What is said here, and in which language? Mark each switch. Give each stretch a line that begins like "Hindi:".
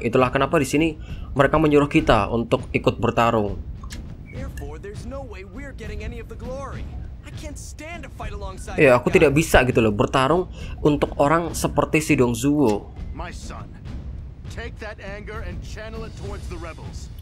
Indonesian: Itulah kenapa di sini mereka menyuruh kita untuk ikut bertarung.
English: Therefore, there's no way we're getting any of the glory. I can't stand to fight alongside.
Indonesian: Ya, aku tidak bisa gitu loh bertarung untuk orang seperti si Dong Zhuo.
English: My son, take that anger and channel it towards the rebels.